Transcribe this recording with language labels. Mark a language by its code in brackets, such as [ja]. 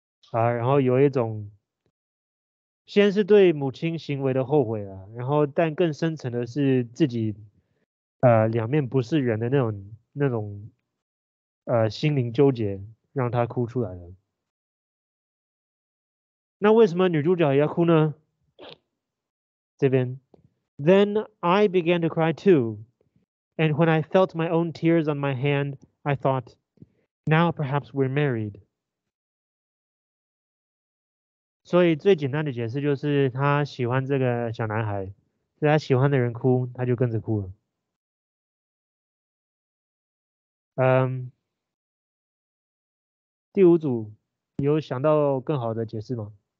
[zh] 然后有一种，先是对母亲行为的后悔啊，然后但更深层的是自己，两面不是人的那种，心灵纠结，让他哭出来了。那为什么女主角要哭呢？这边 [en] ，Then I began to cry too, and when I felt my own tears on my hand, I thought, now perhaps we're married. [zh] 所以最简单的解释就是，她喜欢这个小男孩，她喜欢的人哭，她就跟着哭了。第五组有想到更好的解释吗？